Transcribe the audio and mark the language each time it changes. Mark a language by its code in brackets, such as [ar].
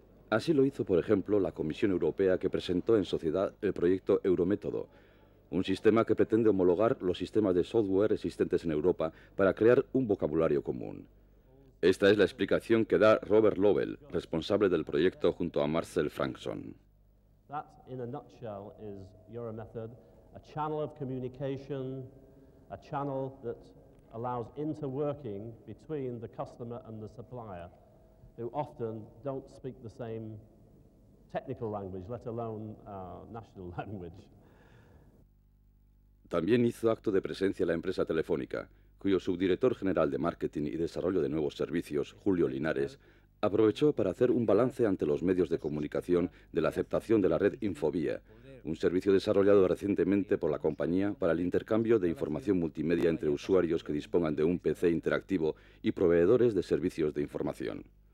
[es] Así lo hizo, por ejemplo, la Comisión Europea, que presentó en sociedad el proyecto Eurométodo, un sistema que pretende homologar los sistemas de software existentes en Europa para crear un vocabulario común. Esta es la explicación que da Robert Lovell, responsable del proyecto, junto a Marcel Frankson. [en] That, in a nutshell, is Euromethod, a channel of communication, a channel that allows interworking between the customer and the supplier, who often don't speak the same technical language, let alone national language. [es] También hizo acto de presencia la empresa Telefónica, cuyo subdirector general de marketing y desarrollo de nuevos servicios, Julio Linares, aprovechó para hacer un balance ante los medios de comunicación de la aceptación de la red Infobia, un servicio desarrollado recientemente por la compañía para el intercambio de información multimedia entre usuarios que dispongan de un PC interactivo y proveedores de servicios de información.